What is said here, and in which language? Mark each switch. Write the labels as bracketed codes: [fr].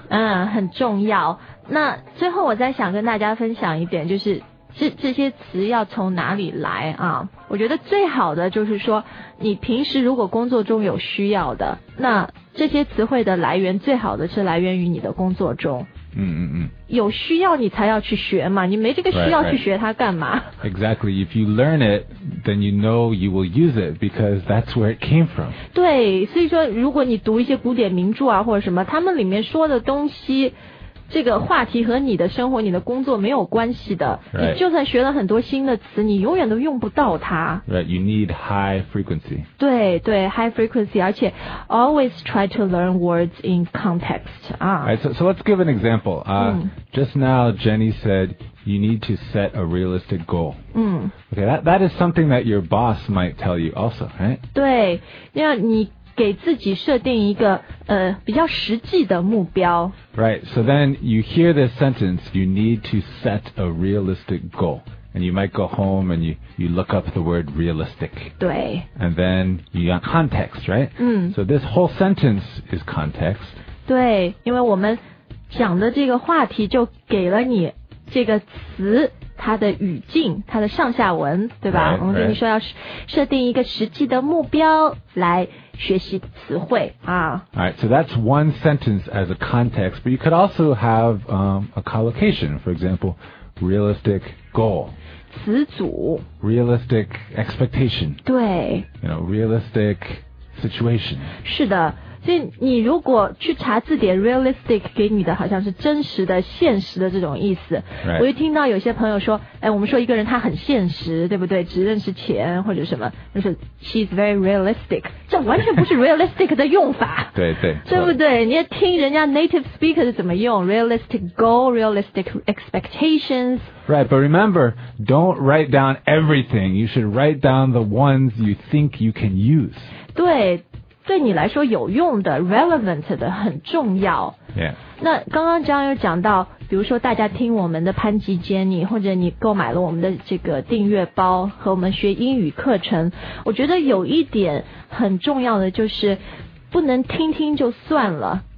[zh] 嗯很重要那最后我再想跟大家分享一点就是这些词要从哪里来啊我觉得最好的就是说你平时如果工作中有需要的那这些词汇的来源最好的是来源于你的工作中嗯嗯嗯有需要你才要去学嘛你没这个需要去学它干嘛 [en] right, right. Exactly, if you learn it, then you know you will use it because that's where it came from [zh] 对所以说如果你读一些古典名著啊或者什么他们里面说的东西这个话题和你的生活你的工作没有关系的、 [en] right. [zh] 你就算学了很多新的词你永远都用不到它 [en] Right, you need high frequency [zh] 对对 [en] high frequency [zh] 而且 [en] always try to learn words in context、 right, so let's give an example、just now Jenny said you need to set a realistic goal、okay, that is something that your boss might tell you also、right? [zh] 对因为你给自己设定一个比较实际的目标 [en] Right, so then you hear this sentence You need to set a realistic goal And you might go home and you look up the word realistic [zh] 对 [en] And then you got context, right? [zh] 嗯 [en] So this whole sentence is context [zh] 对因为我们讲的这个话题就给了你这个词它的语境，它的上下文，对吧？ [en] Right, [zh] 我们跟你说要设定一个实际的目标来学习词汇啊。 [en] Alright, so that's one sentence as a context, but you could also have a collocation, for example, realistic goal. [zh] 词组。 [en] Realistic expectation. [zh] 对。 [en] You know, realistic situation. [zh] 是的。所以你如果去查字典 realistic 给你的好像是真实的现实的这种意思、 [en] right. [zh] 我就听到有些朋友说哎，我们说一个人他很现实对不对只认识钱或者什么就是 [en] she's very realistic [zh] 这完全不是 realistic 的用法对对对不对你要听人家 native speaker 是怎么用 [en] realistic goal realistic expectations right but remember don't write down everything you should write down the ones you think you can use [zh] 对对你来说有用的 relevant 的很重要、 [en] yeah. [zh] 那刚刚张又讲到比如说大家听我们的潘吉 Jenny 或者你购买了我们的这个订阅包和我们学英语课程我觉得有一点很重要的就是不能听听就算了、